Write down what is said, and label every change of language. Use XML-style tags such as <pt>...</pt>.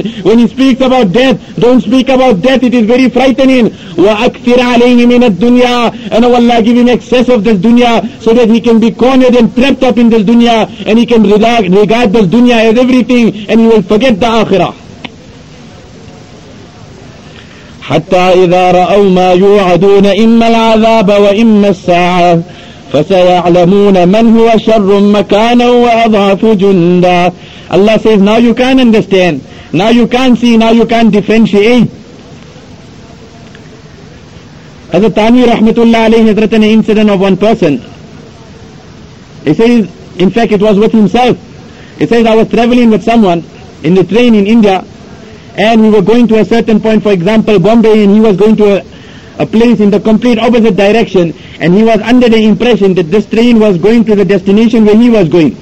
<en>When he speaks about death, don't speak about death, it is very frightening.</en> <ar>وَأَكْثِرْ عَلَيْهِ مِنَ الدُّنْيَا,</ar> <en>and oh Allah, give him excess of this dunya, so that he can be cornered and trapped up in this dunya, and he can regard this dunya as everything, and he will forget the akhirah.</en> <ar>حتى إذا رأوا ما يوعدون إما العذاب وإما الساعة فسيعلمون من هو شر مكانا وأضعف جندا.</ar> <en>Allah says, now you can understand, now you can see, now you can differentiate. Hazrat Thani rahmatullah alayhi has written an incident of one person. He says, in fact it was with himself. He says, I was traveling with someone in the train in India, and we were going to a certain point, for example, Bombay, and he was going to a place in the complete opposite direction, and he was under the impression that this train was going to the destination where he was going.</en>